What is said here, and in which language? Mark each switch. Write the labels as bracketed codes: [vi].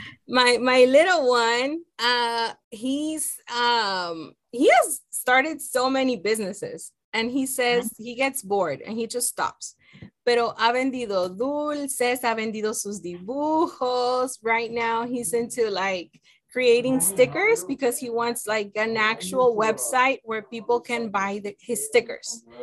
[en] My little one, he has started so many businesses, and he says he gets bored and he just stops. [es] Pero ha vendido dulces, ha vendido sus dibujos. [en] Right now he's into like creating stickers because he wants like an actual website where people can buy his stickers.